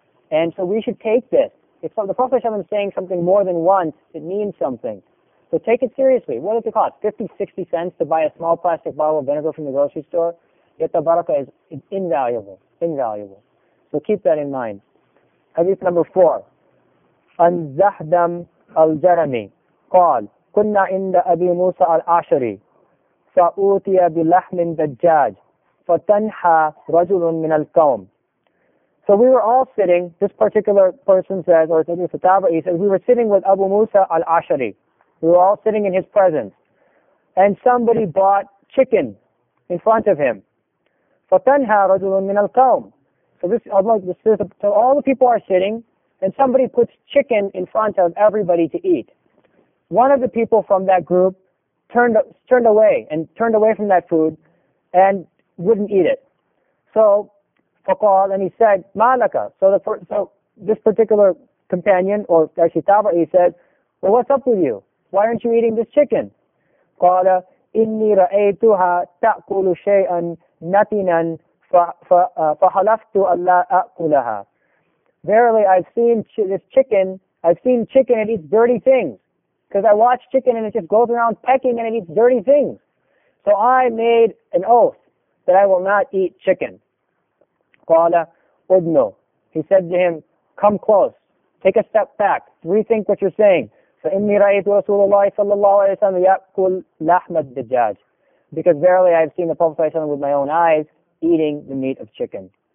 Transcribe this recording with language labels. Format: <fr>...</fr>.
<en>And so we should take this. If the Prophet is saying something more than once, it means something. So take it seriously. What does it cost? 50, 60 cents to buy a small plastic bottle of vinegar from the grocery store? Yet the barakah is invaluable. Invaluable. So keep that in mind.</en> <ar>حديث</ar> <en>number 4</en> <ar>عن زحدم الجرمي قال كنا عند أبي موسى الأشعري فأوتي بلحم دجاج فتنحى رجل من القوم.</ar> <en>So we were all sitting, this particular person says, or it's a tabi'i, he says, we were sitting with Abu Musa al-Ash'ari. We were all sitting in his presence. And somebody bought chicken in front of him.</en> <ar>فَتَنْهَا رَجُلٌ مِنَ الْقَوْمِ</ar> <en>So this is, so all the people are sitting, and somebody puts chicken in front of everybody to eat. One of the people from that group turned away from that food and wouldn't eat it. So, فقال, and he said,</en> <ar>مَالَكَ</ar> <en>So this particular companion, or actually Taba'i, said, well, what's up with you? Why aren't you eating this chicken?</en> <ar>قَالَ إِنِّي رَأَيْتُهَا تَأْكُلُ شَيْئًا نَتِنًا فَحَلَفْتُ أَلَّا أَأْكُلَهَا</ar> <en>Verily, I've seen chicken, it eats dirty things. Because I watch chicken and it just goes around pecking and it eats dirty things. So I made an oath that I will not eat chicken.</en> <ar>قَالَ أُدْنُ</ar> <en>He said to him, come close, take a step back, rethink what you're saying.</en> <ar>فَإِنِّي رَأَيْتُ رَسُولَ اللَّهِ صَلَّى اللَّهُ عَلَيْهِ وَسَلَّمَ يَأْكُلْ لَحْمَ الدَّجَاجِ</ar> <en>Because verily I have seen the Prophet صلى الله عليه وسلم with my own eyes eating the meat of chicken.</en>